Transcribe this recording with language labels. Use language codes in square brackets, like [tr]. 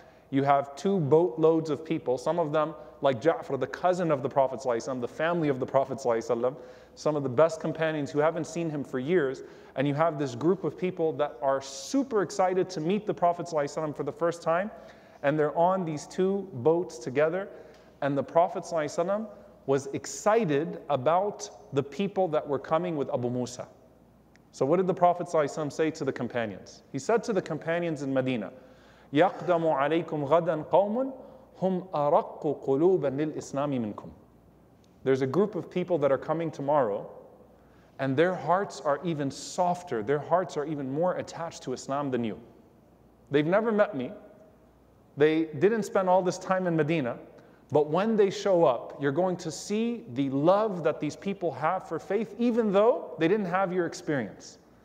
[en] You have two boatloads of people, some of them like Ja'far, the cousin of the Prophet ﷺ, the family of the Prophet ﷺ, some of the best companions who haven't seen him for years, and you have this group of people that are super excited to meet the Prophet ﷺ for the first time, And they're on these two boats together. And the Prophet ﷺ was excited about the people that were coming with Abu Musa. So what did the Prophet ﷺ say to the companions? He said to the companions in Medina, [ar] يَقْدَمُ عَلَيْكُمْ غَدًا قَوْمٌ هُمْ أَرَقُّ قُلُوبًا لِلْإِسْلَامِ مِنْكُمْ. [en] There's a group of people that are coming tomorrow, and their hearts are even softer, their hearts are even more attached to Islam than you. They've never met me, they didn't spend all this time in Medina, but when they show up, you're going to see the love that these people have for faith, even though they didn't have your experience.